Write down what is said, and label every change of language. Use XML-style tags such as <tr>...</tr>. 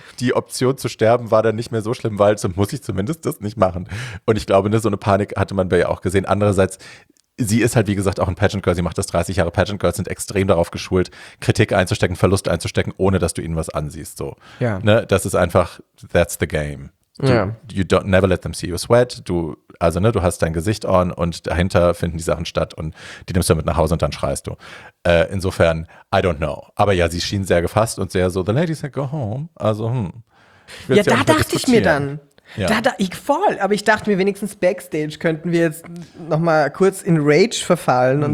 <de>Die Option zu sterben war dann nicht mehr so schlimm, weil so muss ich zumindest das nicht machen. Und ich glaube, so eine Panik hatte man bei ihr auch gesehen. Andererseits, sie ist halt wie gesagt auch ein Pageant Girl, sie macht das 30 Jahre. Pageant Girls sind extrem darauf geschult, Kritik einzustecken, Verlust einzustecken, ohne dass du ihnen was ansiehst. So. Ja. Ne? Das ist einfach,</de> <en>that's the game. You don't never let them see you sweat.</en> <de>Du hast dein Gesicht on und dahinter finden die Sachen statt und die nimmst du mit nach Hause und dann schreist du. Insofern,</de> <en>I don't know.</en> <de>Aber ja, sie schien sehr gefasst und sehr so,</de> <en>the lady said go home.</en> <de>Also, Ja, da dachte ich mir dann. Ja. Aber ich dachte mir, wenigstens backstage könnten wir jetzt nochmal kurz in Rage verfallen und</de>